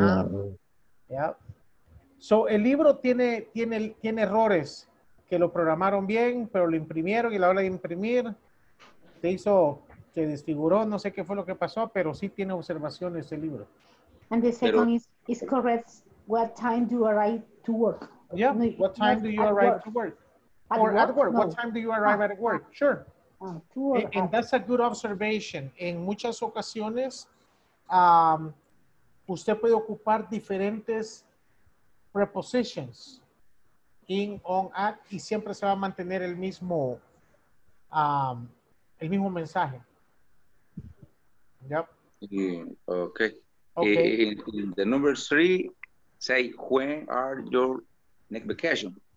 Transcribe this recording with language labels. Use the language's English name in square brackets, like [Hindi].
[English] When is? [Spanish] So, el libro tiene errores que lo programaron bien, pero lo imprimieron y la hora de imprimir se hizo, se desfiguró, no sé qué fue lo que pasó, pero sí tiene observaciones el libro. [English] And the second is correct. What time do you arrive to work? Yeah, no, what time do you arrive work. To work? At or work? At work, no. What time do you arrive at work? Sure. And that's a good observation. [Spanish] En muchas ocasiones, usted puede ocupar diferentes prepositions. In, on, at, y siempre se va a mantener el mismo mensaje. [English] Yep. Okay. Okay. In the number three, say, when are your next vacation?